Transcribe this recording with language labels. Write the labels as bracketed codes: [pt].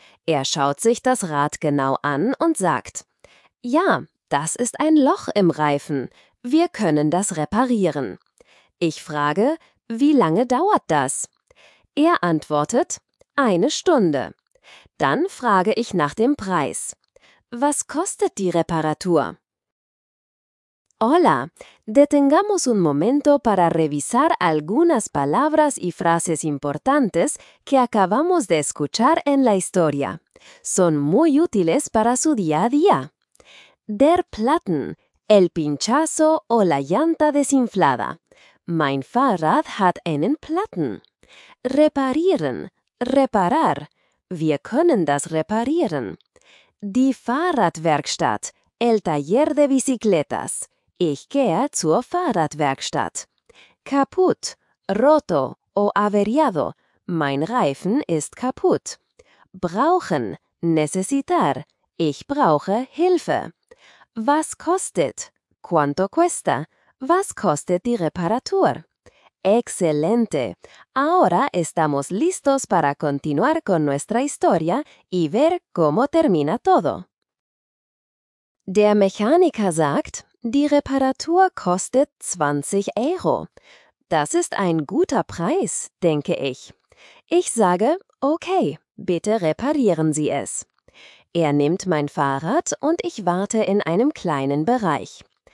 [de] Er schaut sich das Rad genau an und sagt: Ja, das ist ein Loch im Reifen. Wir können das reparieren. Ich frage: Wie lange dauert das? Er antwortet: Eine Stunde. Dann frage ich nach dem Preis. Was kostet die Reparatur? [es] Hola, detengamos un momento para revisar algunas palabras y frases importantes que acabamos de escuchar en la historia. Son muy útiles para su día a día. [de] Der Platten, [es] el pinchazo o la llanta desinflada. [de] Mein Fahrrad hat einen Platten. Reparieren, reparar. Wir können das reparieren. Die Fahrradwerkstatt, [es] el taller de bicicletas. [de] Ich gehe zur Fahrradwerkstatt. Kaputt, [es] roto o averiado. [de] Mein Reifen ist kaputt. Brauchen, necesitar. Ich brauche Hilfe. Was kostet? [es] Quanto cuesta? [de] Was kostet die Reparatur? [es] Excelente. Ahora estamos listos para continuar con nuestra historia y ver cómo termina todo. [de] Der Mechaniker sagt: Die Reparatur kostet 20 Euro. Das ist ein guter Preis, denke ich. Ich sage: Okay, bitte reparieren Sie es. Er nimmt mein Fahrrad und ich warte in einem kleinen Bereich.